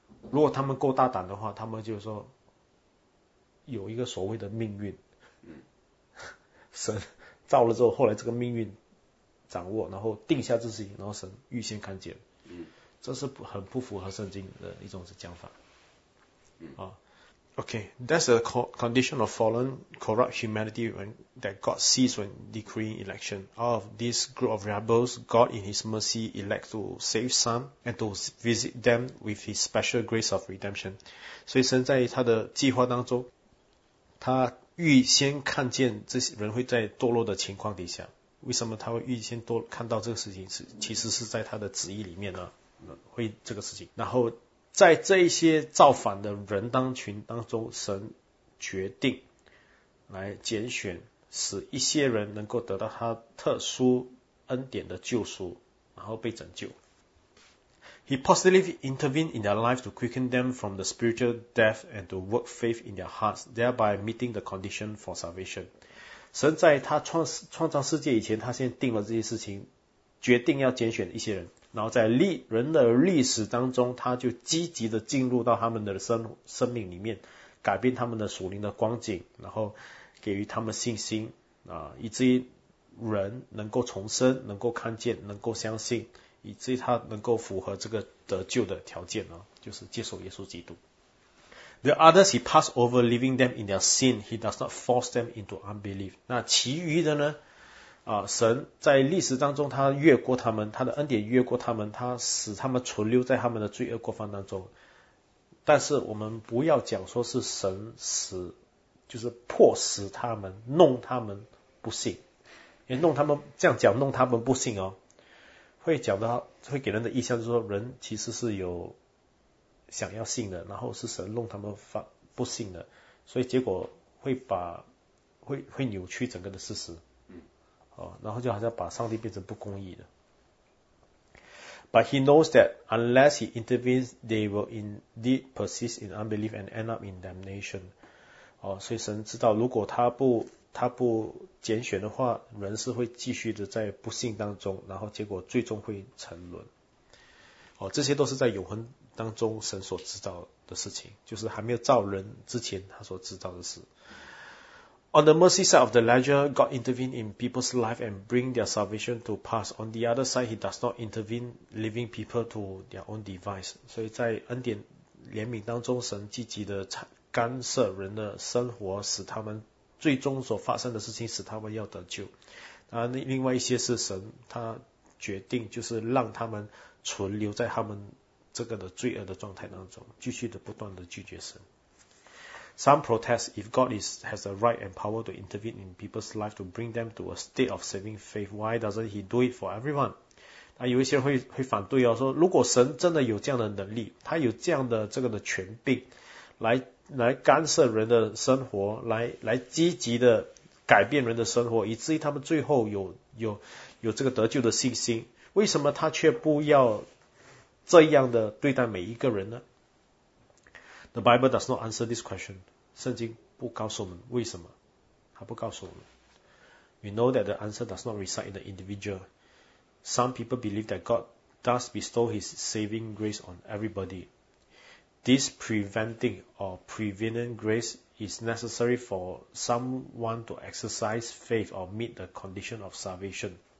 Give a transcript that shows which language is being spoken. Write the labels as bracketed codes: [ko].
[zh] 如果他们够大胆的话，他们就说有一个所谓的命运，神造了之后，后来这个命运掌握，然后定下这事情，然后神预先看见，这是很不符合圣经的一种讲法。 [en] Okay, that's a condition of fallen, corrupt humanity that God sees when decreeing election. Out of this group of rebels, God in His mercy elects to save some and to visit them with His special grace of redemption. [zh] 所以神在他的计划当中，他预先看见这些人会在堕落的情况底下。为什么他会预先看到这个事情？其实是在他的旨意里面呢，会这个事情。然后在这一些造反的人当群当中，神决定来拣选，使一些人能够得到他特殊恩典的救赎，然后被拯救。 [en] He positively intervened in their life to quicken them from the spiritual death and to work faith in their hearts, thereby meeting the condition for salvation. [zh] 神在他创造世界以前，他先定了这些事情，决定要拣选一些人，然后在人的历史当中，他就积极的进入到他们的生命里面，改变他们的属灵的光景，然后给予他们信心啊，以至于人能够重生，能够看见，能够相信，以至于他能够符合这个得救的条件呢，就是接受耶稣基督。 [en] The others he passed over, leaving them in their sin. He does not force them into unbelief. [zh] 那其余的呢？神在历史当中，他越过他们，他的恩典越过他们，他使他们存留在他们的罪恶过犯当中。但是我们不要讲说是神使，就是迫使他们，弄他们不信，也弄他们这样讲，弄他们不信哦。会讲到会给人的印象就是说，人其实是有想要信的，然后是神弄他们不信的，所以结果会扭曲整个的事实，然后就好像把上帝变成不公义的。 [en] But he knows that unless he intervenes, they will indeed persist in unbelief and end up in damnation. [zh] 所以神知道，如果他不拣选的话，人是会继续的在不幸当中，然后结果最终会沉沦。这些都是在永恒当中神所知道的事情，就是还没有造人之前他所知道的事。 [en] On the mercy side of the ledger, God intervened in people's life and bring their salvation to pass. On the other side, he does not intervene, leaving people to their own device. [zh] 所以在恩典怜悯当中，神积极的干涉人的生活，使他们最终所发生的事情使他们要得救。那另外一些是神他决定就是让他们存留在他们这个的罪恶的状态当中，继续的不断的拒绝神。 [en] Some protest if God has the right and power to intervene in people's life to bring them to a state of saving faith. Why doesn't he do it for everyone? [zh] 那有一些人 会反对哦，说如果神真的有这样的能力，他有这样的这个的权柄来干涉人的生活，来积极的改变人的生活，以至于他们最后有这个得救的信心，为什么他却不要这样的对待每一个人呢？ [en] The Bible does not answer this question. [zh] 圣经不告诉我们为什么，它不告诉我们。 [en] We know that the answer does not reside in the individual. Some people believe that God does bestow His saving grace on everybody. This preventing or prevenient grace is necessary for someone to exercise faith or meet the condition of salvation.